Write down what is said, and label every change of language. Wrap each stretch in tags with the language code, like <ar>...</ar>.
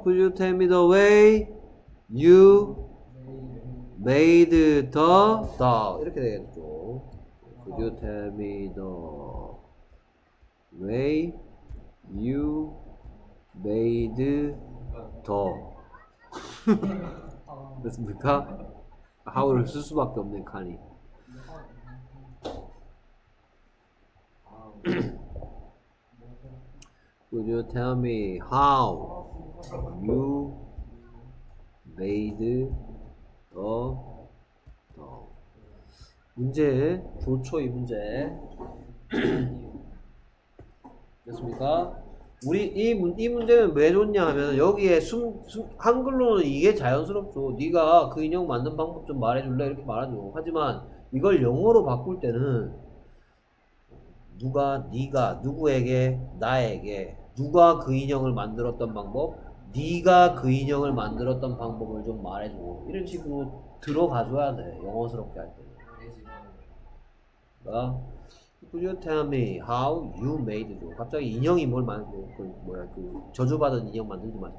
<en>Could you tell me the way you made the dog?</en> <ko>이렇게 되겠죠.</ko> <en>Could you tell me the way you made the dog?</en> <ko>됐습니까? 하울을 쓸 수밖에 없네, 칸이.</ko> <en>'Could you tell me how you made the dog?</en> <ko>문제 좋죠, 이 문제. 됐습니까? 우리 이 문제는 왜 좋냐 하면 여기에 한글로는 이게 자연스럽죠. 네가 그 인형 만든 방법 좀 말해줄래 이렇게 말하죠. 하지만 이걸 영어로 바꿀 때는 누가 네가 누구에게 나에게 누가 그 인형을 만들었던 방법, 네가 그 인형을 만들었던 방법을 좀 말해주고 이런 식으로 들어가줘야 돼. 영어스럽게 할 때는. 그러니까</ko> <en>Could you tell me how you made it?</en> <ko>갑자기 인형이 뭘 만들고 그 저주받은 인형 만들지 마세요.</ko>